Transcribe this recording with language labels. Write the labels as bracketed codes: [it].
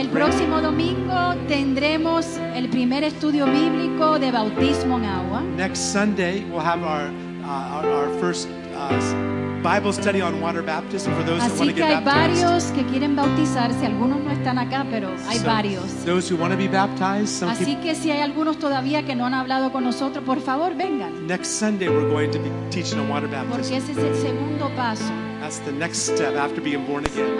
[es] El próximo domingo tendremos el primer estudio bíblico de bautismo en agua. [en] Next Sunday we'll have our first Bible study on water baptism for those [es] Así [en] who want to get [es] hay [en] baptized. [es] Así que hay varios que quieren bautizarse, algunos no están acá, pero hay [en] so, [es] varios. [en] Those who want to be baptized, some [es] Así que si hay algunos todavía que no han hablado con nosotros, por favor, vengan. [en] Next Sunday we're going to be teaching on water baptism. [es] Porque ese es el segundo paso. [en] That's the next step after being born again.